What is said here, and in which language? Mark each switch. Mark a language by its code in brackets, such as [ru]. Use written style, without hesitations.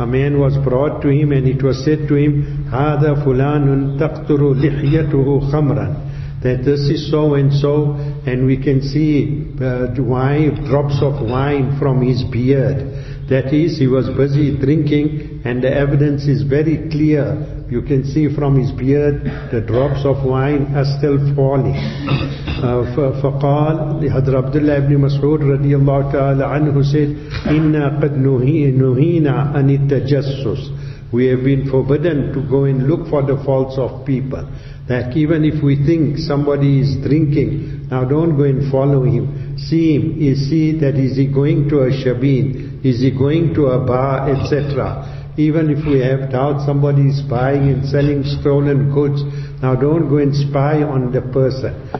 [en] A man was brought to him and it was said to him, [ar] هَذَا فُلَانٌ تَقْتُرُ لِحْيَتُهُ خَمْرًا, [en] that this is so and so, and we can see drops of wine from his beard. That is, he was busy drinking, and the evidence is very clear. You can see from his beard, the drops of wine are still falling. [ar] فقال حضر عبد الله بن مسعود رضي الله تعالى عنه [en] said, [ar] إِنَّا قَدْ نُهِينَا أَنِ التَّجَسُّسِ. [en] We have been forbidden to go and look for the faults of people. That even if we think somebody is drinking, now don't go and follow him. See him, see that is he going to a shabin, is he going to a bar, etc. Even if we have doubt somebody is buying and selling stolen goods, now don't go and spy on the person.